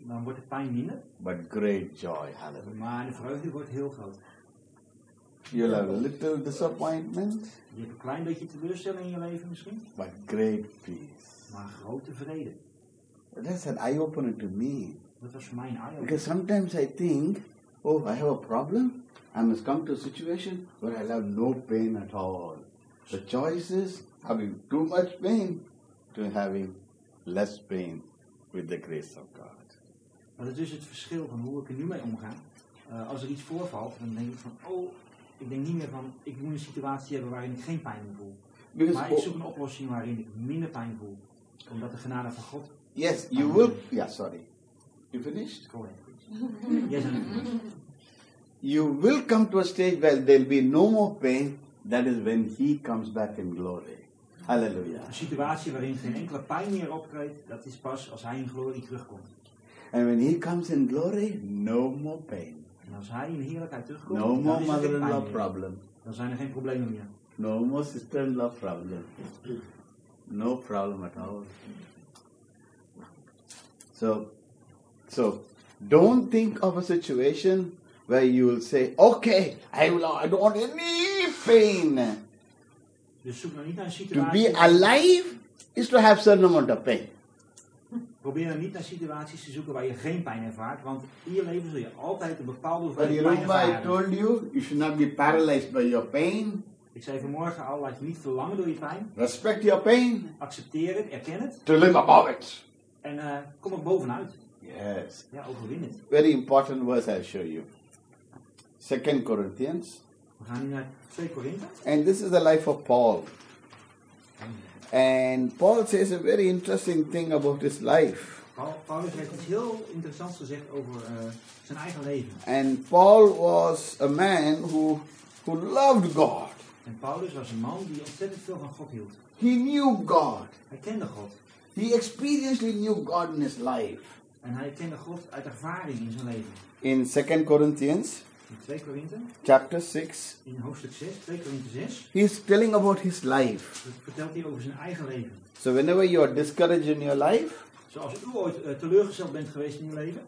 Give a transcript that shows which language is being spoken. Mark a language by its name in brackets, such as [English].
[Dutch] Dan wordt de pijn minder. [English] But great joy, hallelujah. [Dutch] Maar de vreugde wordt heel groot. [English] You'll have a little disappointment. [Dutch] Je hebt een klein beetje teleurstelling in je leven misschien. [English] But great peace. [Dutch] Maar grote vrede. [English] That's an eye-opener to me. [Dutch] Dat was voor mij een eye-opener. [English] Because sometimes I think, oh, I have a problem. I must come to a situation where I'll have no pain at all. The choice is having too much pain to having less pain with the grace of God. [Dutch] Maar dat is het verschil van hoe ik er nu mee omga. Als er iets voorvalt, dan denk ik van, oh, ik denk niet meer van, ik moet een situatie hebben waarin ik geen pijn meer voel. [English] Because [Dutch] maar ik zoek een oplossing waarin ik minder pijn voel. Omdat de genade van God. [English] Yes, you will. Ja, yeah, sorry. You finished? Go ahead. Yes, I'm finished. You will come to a stage where there will be no more pain. That is when he comes back in glory. Hallelujah. [Dutch] Een situatie waarin geen enkele pijn meer optreedt, dat is pas als hij in glorie terugkomt. [English] And when he comes in glory, no more pain. [Dutch] En als hij in heerlijkheid terugkomt, [English] no more mother-in-law problem. [Dutch] Dan zijn er geen problemen meer. [English] No more sister-in-law problem. No problem at all. So, don't think of a situation where you will say, okay, I don't want any pain. [Dutch] Dus zoek maar niet naar situaties. [English] To be alive is to have certain amount of pain. [Dutch] Probeer niet naar situaties te zoeken waar je geen pijn ervaart, want in je leven zul je altijd een bepaalde hoeveelheid pijn ervaren. [English] But you know what I told you? You should not be paralyzed by your pain. [Dutch] Ik zei vanmorgen al, laat je niet verlangen door je pijn. [English] Respect your pain. [Dutch] Accepteer het, erken het. [English] To live above it. [Dutch] En kom er bovenuit. [English] Yes. [Dutch] Ja, overwin het. [English] Very important verse I show you. 2 Corinthians. [Dutch] We gaan nu naar 2 Corinthians. [English] And this is the life of Paul. And Paul says a very interesting thing about his life. [Dutch] Paulus heeft iets heel interessants gezegd over zijn eigen leven. [English] And Paul was a man who loved God. [Dutch] En Paulus was een man die ontzettend veel van God hield. [English] He knew God. [Dutch] Hij kende God. [English] He experientially knew God in his life. [Dutch] En hij kende God uit ervaring in zijn leven. [English] In 2 Corinthians. [Dutch] In 2 Korinthe, [English] chapter 6. [Dutch] In hoofdstuk 6, 2 Korinthe 6. [English] He is telling about his life. [Dutch] Vertelt hij over zijn eigen leven. [English] So whenever you are discouraged in your life. [Dutch] Zoals u ooit teleurgesteld bent geweest in uw leven.